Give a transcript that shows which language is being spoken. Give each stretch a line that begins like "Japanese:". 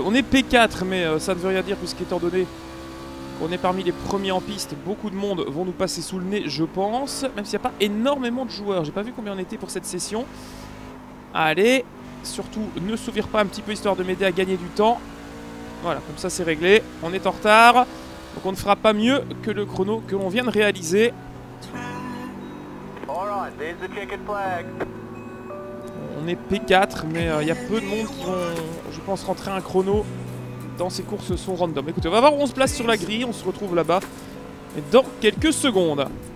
French: On est P4, mais ça ne veut rien dire, puisqu'étant donné qu'on est parmi les premiers en piste, beaucoup de monde vont nous passer sous le nez, je pense. Même s'il n'y a pas énormément de joueurs. J'ai pas vu combien on était pour cette session. Allez, surtout, ne s'ouvrir pas un petit peu, histoire de m'aider à gagner du temps. Voilà, comme ça, c'est réglé. On est en retard, donc on ne fera pas mieux que le chrono que l'on vient de réaliser.
English: All right, there's the checkered flag.
French: On est P4, mais il y a peu de monde qui vont, je pense, rentrer un chrono dans ces courses sont random. Écoutez, on va voir où on se place sur la grille, on se retrouve là-bas dans quelques secondes.